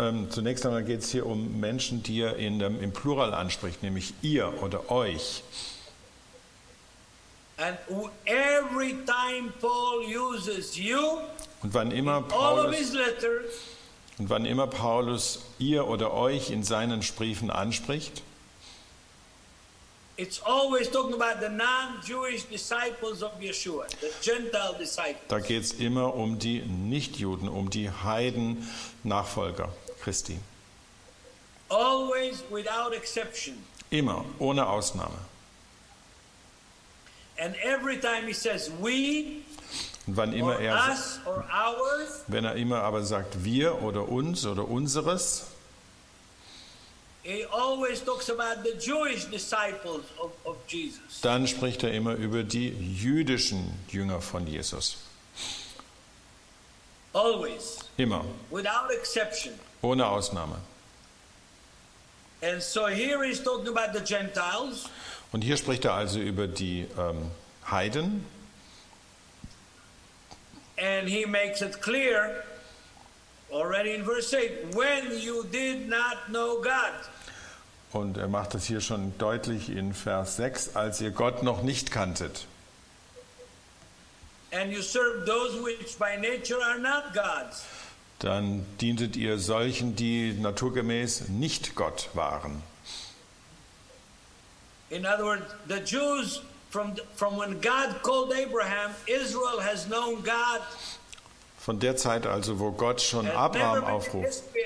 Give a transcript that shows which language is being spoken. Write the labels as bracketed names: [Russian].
[German] Zunächst einmal geht es hier um Menschen, die er im Plural anspricht, nämlich ihr oder euch. [English] And every time Paul uses you. [German] Und wann immer Paulus ihr oder euch in seinen Briefen anspricht, [English] it's always talking about the non-Jewish disciples of Yeshua, the Gentile disciples. [German] Da geht's immer um die Nichtjuden, um die Heiden Nachfolger Christi. [English] Always without exception. [German] Immer ohne Ausnahme. [English] And every time he says we, [German] wenn er immer aber sagt wir oder uns oder unseres, [English] he always talks about the Jewish disciples of Jesus. [German] Dann spricht er immer über die jüdischen Jünger von Jesus. [English] Always. [German] Immer. [English] Without exception. [German] Ohne Ausnahme. [English] And so here he's talking about the Gentiles. [German] Und hier spricht er also über die Heiden. [English] And he makes it clear already in verse 8, when you did not know God. [German] Und er macht es hier schon deutlich in Vers 6, als ihr Gott noch nicht kanntet. [English] And you served those which by nature are not gods. [German] Dann dientet ihr solchen, die naturgemäß nicht Gott waren. [English] In other words, the Jews from when God called Abraham, Israel has known God. [German] Von der Zeit also, wo Gott schon Abraham aufruft.